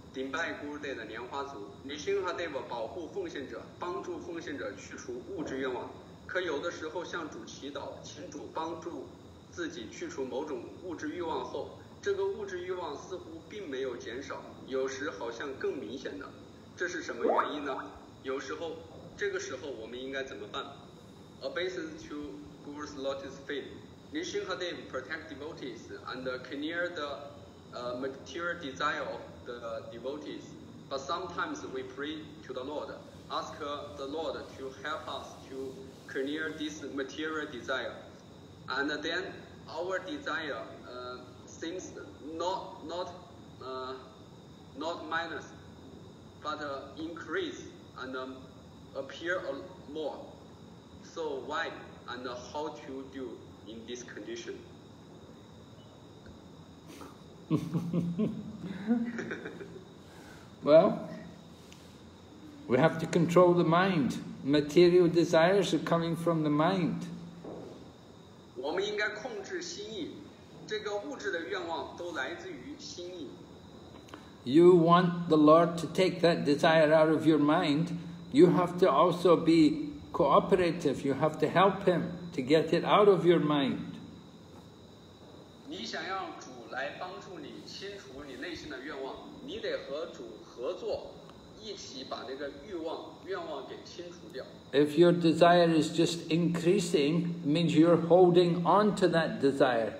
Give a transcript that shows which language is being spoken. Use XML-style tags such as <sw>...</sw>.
<zh>顶拜Gurudev的莲花族, 你心和Deva保护奉献者,帮助奉献者去除物质愿望, 可有的时候向主祈祷,请主帮助自己去除某种物质欲望后, 这个物质欲望似乎并没有减少,有时好像更明显的,这是什么原因呢?有时候,这个时候我们应该怎么办?</zh> <en>Obeisance to Guru's lotus feet, Nrisimhadeva protect devotees and clear the material desire of the devotees, but sometimes we pray to the Lord, ask the Lord to help us to clear this material desire, and then our desire seems not minus, but increase and appear more. So why and how to do in this condition? Well, we have to control the mind. Material desires are coming from the mind.</en> <zh>我们应该控制心意。这个物质的愿望都来自于心意。</zh> <en>You want the Lord to take that desire out of your mind, you have to also be cooperative, you have to help Him to get it out of your mind.</en> <zh>你想让主来帮助你清除你内心的愿望,你得和主合作,一起把那个愿望给清除掉。</zh> <en>If your desire is just increasing, it means you're holding on to that desire.</en>